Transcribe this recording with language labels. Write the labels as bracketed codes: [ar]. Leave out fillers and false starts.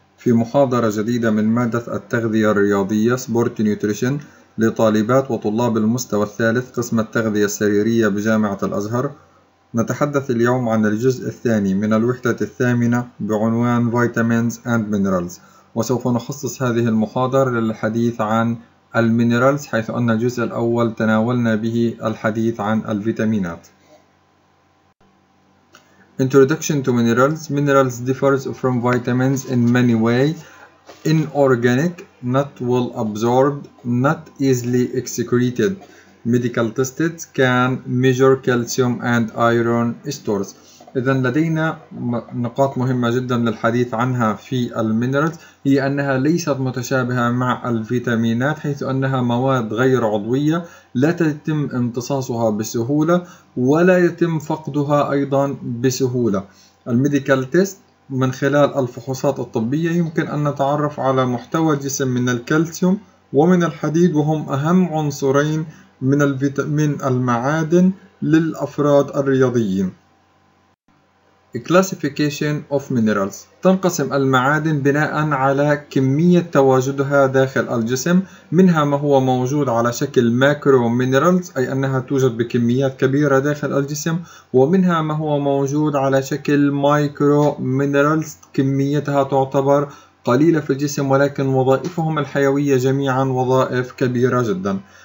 [ar] في محاضرة جديدة من مادة التغذية الرياضية سبورت نيوتريشن لطالبات وطلاب المستوى الثالث قسم التغذية السريرية بجامعة الأزهر، نتحدث اليوم عن الجزء الثاني من الوحدة الثامنة بعنوان [en] Vitamins and Minerals، [ar] وسوف نخصص هذه المحاضرة للحديث عن المينرالز، حيث أن الجزء الأول تناولنا به الحديث عن الفيتامينات. [en] Introduction to minerals. Minerals differs from vitamins in many ways. Inorganic, not well absorbed, not easily excreted. Medical tests can measure calcium and iron stores. [ar] إذن لدينا نقاط مهمة جدا للحديث عنها في المينرالز، هي أنها ليست متشابهة مع الفيتامينات، حيث أنها مواد غير عضوية لا تتم امتصاصها بسهولة ولا يتم فقدها أيضا بسهولة. الميديكال تيست من خلال الفحوصات الطبية يمكن أن نتعرف على محتوى الجسم من الكالسيوم ومن الحديد، وهم أهم عنصرين من المعادن للأفراد الرياضيين. [en] Classification of minerals. [ar] تنقسم المعادن بناء على كمية تواجدها داخل الجسم، منها ما هو موجود على شكل macro minerals، أي أنها توجد بكميات كبيرة داخل الجسم، ومنها ما هو موجود على شكل micro minerals، كميتها تعتبر قليلة في الجسم ولكن وظائفهم الحيوية جميعا وظائف كبيرة جدا.